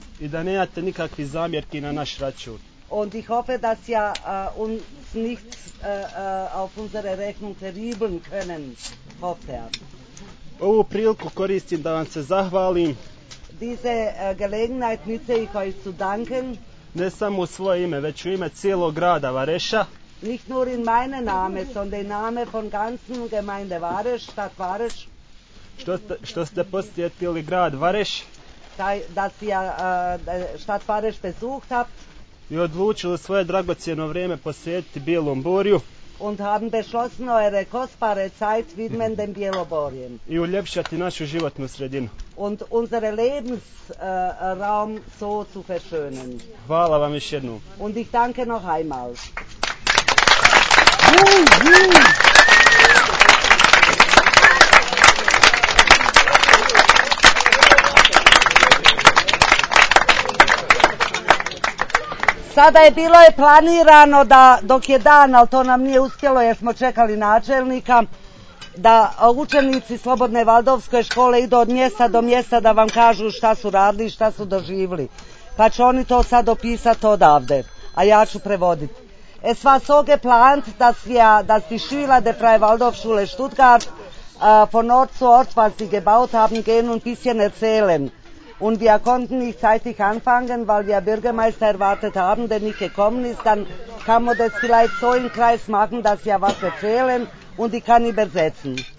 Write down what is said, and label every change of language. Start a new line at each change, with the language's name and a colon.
Bosnian: I da nemate nikakvi zamjerki na naš račun.
German: Und ich hoffe, dass ihr uns nichts auf unsere Rechnung verübeln können, hoffe ich.
Bosnian: Ovu priliku koristim da vam se zahvalim.
German: Diese Gelegenheit nutze ich euch zu danken.
Bosnian: Ne samo u svoje ime, već u ime cijelog grada Vareša.
German: Nicht nur in meine Name, sondern in Name von ganzen Gemeinde Vareš, Stadt Vareš.
Bosnian: Što ste posjetili grad Vareš?
German: Dass ihr Stadt Vareš besucht habt.
Bosnian: I odlučili svoje dragocjeno vrijeme posjetiti Bijelom Borju.
German: Und haben beschlossen eure kostbare Zeit widmen dem Bjeloborjem.
Bosnian: I uljepšati našu životnu sredinu.
German: Und unsere Lebensraum so zu verschönen.
Bosnian: Hvala vam još jednom.
German: Und ich danke noch einmal.
Bosnian: Sada je bilo je planirano da dok je dan, ali to nam nije uspjelo jer smo čekali načelnika, da učenici Slobodne Valdovske škole idu od mjesta do mjesta da vam kažu šta su radili i šta su doživli. Pa će oni to sad opisati odavde, a ja ću prevoditi.
German: Es war so geplant, dass die Schüler der Freie Waldorfschule Stuttgart von Ort zu Ort, was sie gebaut haben, gehen und ein bisschen erzählen. Und wir konnten nicht zeitig anfangen, weil wir Bürgermeister erwartet haben, der nicht gekommen ist. Dann kann man das vielleicht so im Kreis machen, dass wir was erzählen und ich kann übersetzen.